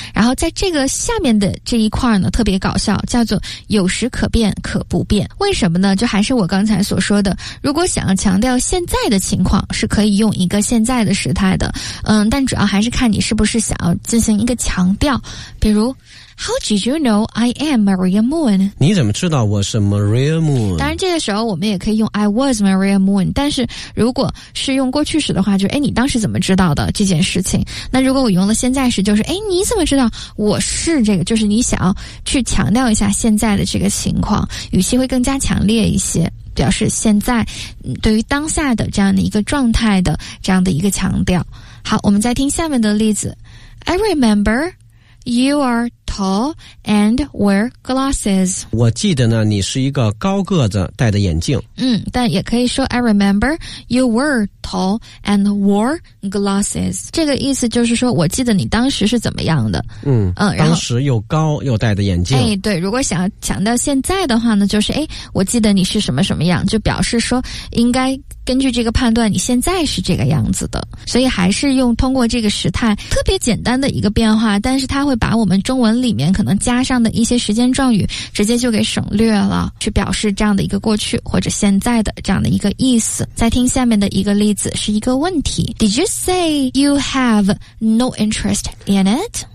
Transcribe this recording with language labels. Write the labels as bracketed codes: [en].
[zh] 然后在这个下面的这一块呢，特别搞笑，叫做有时可变可不变。为什么呢？就还是我刚才所说的，如果想要强调现在的情况，是可以用一个现在的时态的。嗯，但主要还是看你是不是想要进行一个强调。 [en] 比如How did you know I am Maria Moon? [zh] 你怎么知道我是 Maria Moon? 当然这个时候我们也可以用 [en] I was Maria Moon, [zh] 但是如果是用过去时的话，就是哎，你当时怎么知道的这件事情。那如果我用了现在时，就是哎，你怎么知道我是这个，就是你想要去强调一下现在的这个情况，语气会更加强烈一些，表示现在对于当下的这样的一个状态的这样的一个强调。好，我们再听下面的例子。 [en] I remember you are tall and wear glasses. [zh] 我记得呢，你是一个高个子，戴的眼镜。嗯，但也可以说 [en] I remember you were tall and wore glasses. [zh] 这个意思就是说，我记得你当时是怎么样的。嗯，当时又高又戴的眼镜。哎，对，如果想要强调现在的话呢，就是哎，我记得你是什么什么样，就表示说应该根据这个判断你现在是这个样子的。所以还是用通过这个时态特别简单的一个变化，但是它会把我们中文里面可能加上的一些时间状语直接就给省略了，去表示这样的一个过去或者现在的这样的一个意思。再听下面的一个例子，是一个问题。 [en] Did you say you have no interest in it?